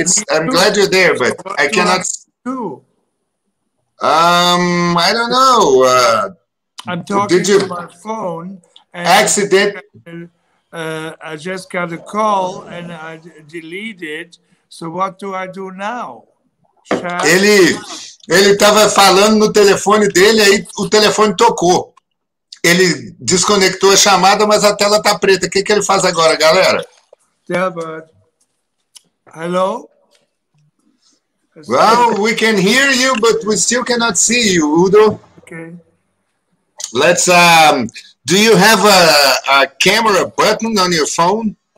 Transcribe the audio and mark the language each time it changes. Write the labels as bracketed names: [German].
[English] I'm glad you're there, but what I cannot. Do? I don't know. I'm talking to my phone. And accident. I just got a call and I deleted. So what do I do now? [Portuguese] Ele estava falando no telefone dele, aí o telefone tocou. Ele desconectou a chamada, mas a tela está preta. O que ele faz agora, galera? [English] Yeah, hello? Well, we can hear you, but we still cannot see you, Udo. Okay. Let's, do you have a camera button on your phone?